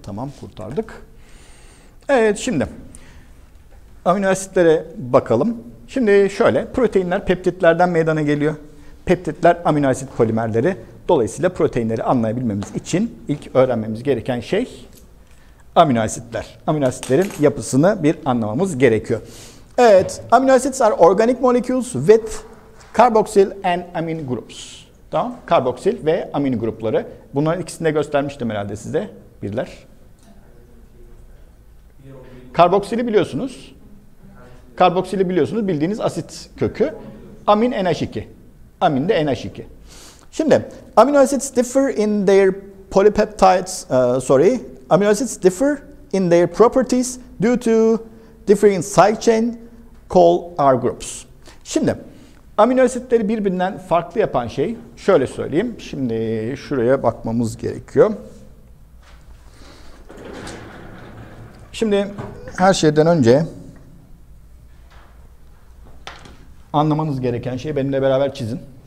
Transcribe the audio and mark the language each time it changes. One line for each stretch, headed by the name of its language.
Turkish: Tamam, kurtardık. Evet, şimdi amino asitlere bakalım. Şimdi şöyle, proteinler peptitlerden meydana geliyor. Peptitler amino asit polimerleri. Dolayısıyla proteinleri anlayabilmemiz için ilk öğrenmemiz gereken şey amino asitler. Amino asitlerin yapısını bir anlamamız gerekiyor.
English: Evet, amino asits are organic molecules with carboxyl and amine groups.
Turkish: Tamam, karboksil ve amin grupları. Bunların ikisini de göstermiştim herhalde size. Birler. Karboksili biliyorsunuz. Karboksili biliyorsunuz, bildiğiniz asit kökü. Amin NH2. Amin de NH2.
English: Şimdi, amino acids differ in their polypeptides, amino acids differ in their properties due to differing side chain called R groups.
Turkish: Şimdi, amino asitleri birbirinden farklı yapan şey, şöyle söyleyeyim. Şimdi şuraya bakmamız gerekiyor. Şimdi her şeyden önce anlamanız gereken şey, benimle beraber çizin.